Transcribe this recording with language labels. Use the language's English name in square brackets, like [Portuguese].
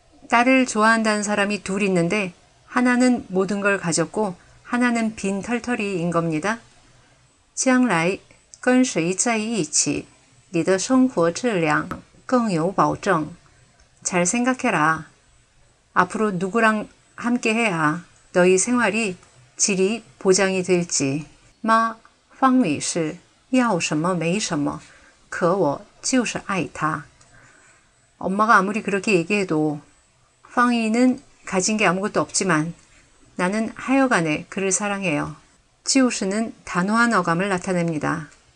[Korean] 딸을 좋아한다는 사람이 둘 있는데 하나는 모든 걸 가졌고 하나는 빈 털터리인 겁니다. [Chinese] 将来跟谁在一起，你的生活质量更有保证. [Korean] 잘 생각해라. 앞으로 누구랑 함께해야 너희 생활이 질이 보장이 될지. [Chinese] 妈，方宇是要什么没什么，可我就是爱他. [Korean] 엄마가 아무리 그렇게 얘기해도 황희는 가진 게 아무것도 없지만 나는 하여간에 그를 사랑해요. 지우스는 단호한 어감을 나타냅니다.